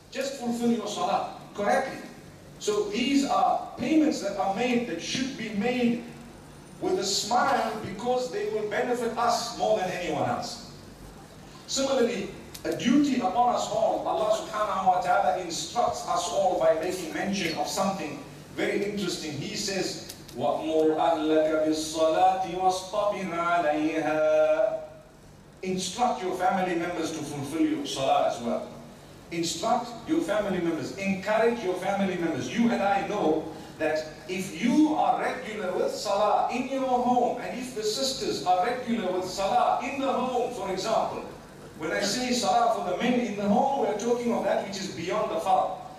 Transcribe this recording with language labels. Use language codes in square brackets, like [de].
[en] Just fulfill your salah correctly. So these are payments that are made that should be made with a smile because they will benefit us more than anyone else. Similarly, a duty upon us all. Allah [ar] subhanahu wa ta'ala [en] instructs us all by making mention of something very interesting. [ar] He says, وَأْمُرْ أَهْلَكَ بِالصَّلَاةِ وَاصْطَبِرْ عَلَيْهَا. [en] Instruct your family members to fulfill your salah as well. Instruct your family members. Encourage your family members. You and I know that if you are regular with salah in your home, and if the sisters are regular with salah in the home, for example, when I say salah for the men in the home, we're talking of that which is beyond the fard.